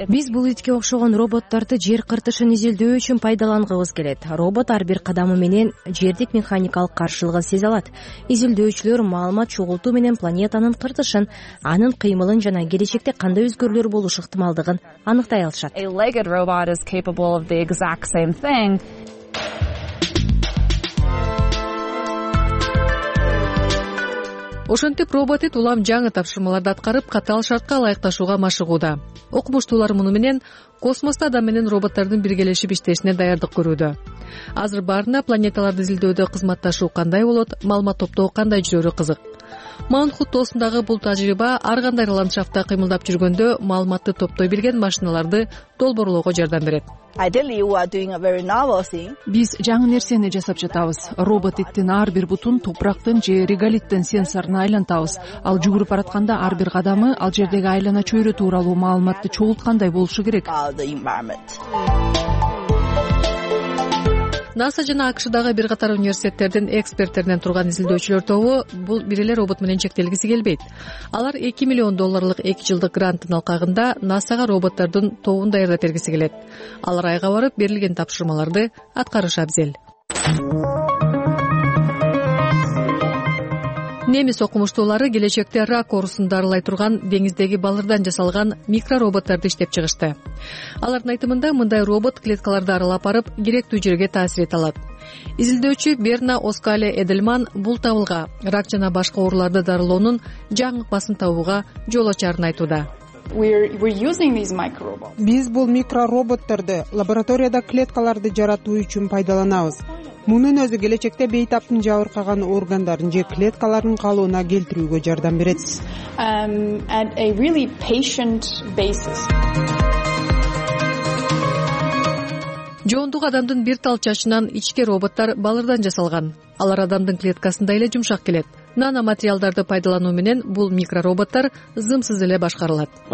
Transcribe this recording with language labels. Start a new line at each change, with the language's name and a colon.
Kyrgyz: Биз бул итке окшогон роботторду жер кыртышын изилдөө үчүн пайдаланганыбыз келет. Робот ар бир кадамы менен жердик механикалык каршылыгын сезе алат. Изилдөөчүлөр маалымат чогултуу менен планетанын кыртышын, анын кыймылын жана келечекте кандай өзгөрүүлөр болушу ыктымалдыгын аныктай алышат.
English: A legged robot is capable of the exact same thing.
Kyrgyz: Ошентип робот эт улам жаңы тапшырмаларды аткарып, катаал шартка ылайыкташууга машыгууда. Окумуштуулар муну менен космоста адам менен роботтордун биргелешип иштешине даярдык көрүүдө. Азыр баарына планеталарды изилдөөдө кызматташуу кандай болот, маалымат топтоо кандай жүрөрү кызык. Маунт-Худ тоосундагы бул тажрыйба ар кандай ландшафтта кыймылдап жүргөндө маалыматты топтой билген машиналарды долбоорлоого жардам берет.
English: Ideally, you are doing a very novel thing.
Kyrgyz: Биз жаңы нерсени жасап жатабыз. Робот иттин ар бир бутун топурактын же регалиттин сенсоруна айлантабыз. Ал жүгүрүп баратканда ар бир кадамы ал жердеги айлана чөйрө тууралуу маалыматты чогулткандай болушу керек. NASA жана АКШ-дагы бир катар университеттердин эксперттеринен турган изилдөөчүлөр тобу бул бир эле робот менен чектелгиси келбейт. Алар 2 миллион долларлык 2 жылдык гранттын алкагында NASA-га роботтордун тобун даярдап бергиси келет. Алар айга барып берилген тапшырмаларды аткарышы абзел. Немис окумуштуулары келечекте рак оорусун дарылай турган деңиздеги балырдан жасалган микророботторду иштеп чыгышты. Алардын айтымында мындай робот клеткаларды аралап барып, керектүү жерге таасир эте алат. Изилдөөчү Берна Оскале Эдельман бул табылга рак жана башка ооруларды дарылоонун жаңы басым табууга жол ачарын айтууда.
English: We're using these microrobots.
Kyrgyz: Биз бул микророботторду лабораторияда клеткаларды жаратуу үчүн пайдаланабыз. Мунун өзү келечекте бейтаптын жабыркаган органдарын же клеткаларын калыбына келтирүүгө жардам берет.
English: At a really patient basis.
Kyrgyz: Жоондук адамдын бир тал чачынан ичке роботтор балырдан жасалган. Алар адамдын клеткасындай эле жумшак келет. Нано материалдарды пайдалануу менен бул микророботтор зымсыз эле башкарылат.